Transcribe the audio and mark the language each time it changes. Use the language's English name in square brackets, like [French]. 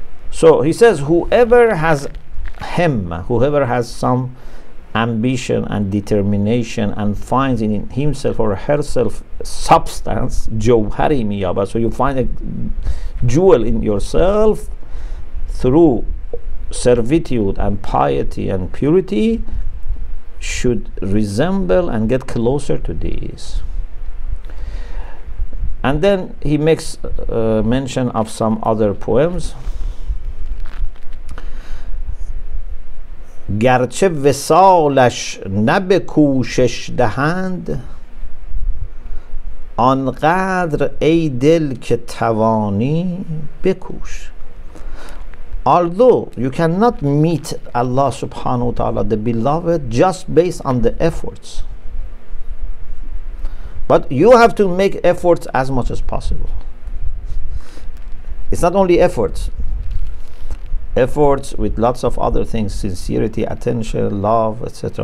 [English] So he says, whoever has whoever has some ambition and determination and finds in himself or herself substance, [Persian] johari miyaba, [English] so you find a jewel in yourself through servitude and piety and purity, should resemble and get closer to these. And then he makes mention of some other poems. [Persian] گرچه وصالش نبه کوشش دهند آنقدر ای دل که توانی بکوش. [English] Although you cannot meet Allah subhanahu wa ta'ala, the beloved, just based on the efforts, but you have to make efforts as much as possible. It's not only efforts. Efforts with lots of other things, sincerity, attention, love, etc.